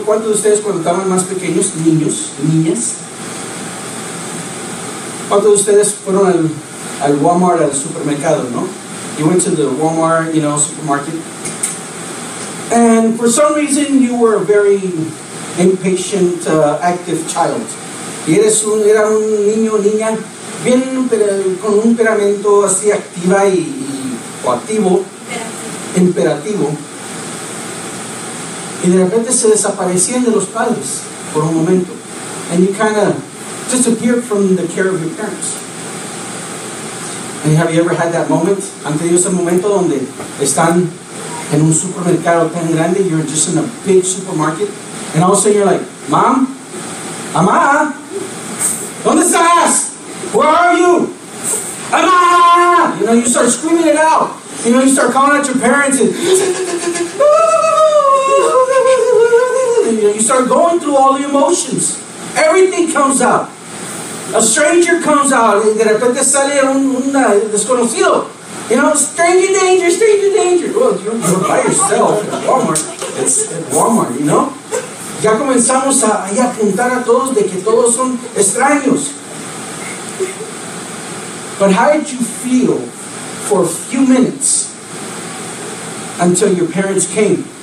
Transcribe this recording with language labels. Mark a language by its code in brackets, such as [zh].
[es] ¿Cuántos de ustedes cuando estaban más pequeños, niños, niñas? ¿Cuántos de ustedes fueron al Walmart, al supermercado, no? [en] You went to the Walmart, you know, supermarket. And for some reason, you were a very impatient, active child. [es] Y era un niño o niña, bien con un temperamento así activa y o activo. Imperativo. Y de repente se desaparecían de los padres por un momento. [en] And you kind of disappeared from the care of your parents. And have you ever had that moment? [es] ¿Han tenido ese momento donde están en un supermercado tan grande? [en] You're just in a big supermarket. And all of a sudden you're like, Mom? [es] Mamá? ¿Dónde estás? [en] Where are you? Mamá! You know, you start screaming it out. You know, you start calling out your parents and you start going through all the emotions. Everything comes out. A stranger comes out. [es] Y de repente sale un desconocido. [en] You know, stranger danger. Well, you're by yourself at Walmart. It's at Walmart, you know? [es] Ya comenzamos a apuntar a todos de que todos son extraños. [en] But how did you feel for a few minutes until your parents came?